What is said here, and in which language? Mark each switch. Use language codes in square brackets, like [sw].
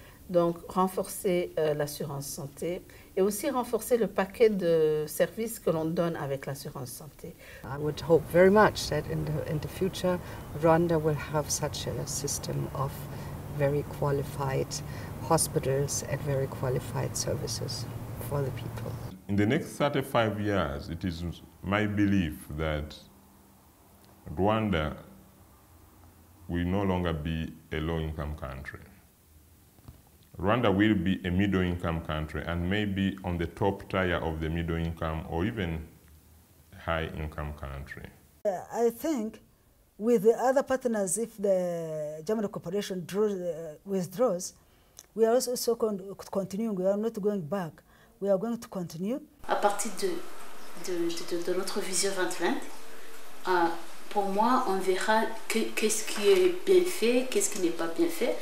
[fr] Donc renforcer l'assurance santé et aussi renforcer le paquet de services que l'on donne avec l'assurance santé. [en] I would hope very much that in the future Rwanda will have such a system of very qualified hospitals and very qualified services for the people. In the next 35 years, it is my belief that Rwanda will no longer be a low-income country. Rwanda will be a middle-income country and maybe on the top tier of the middle-income or even high-income country. I think with the other partners, if the German cooperation withdraws, we are also continuing, we are not going back. We are going to continue. [fr] À partir de notre vision 2020, pour moi, on verra qu'est-ce qui est bien fait, qu'est-ce qui n'est pas bien fait.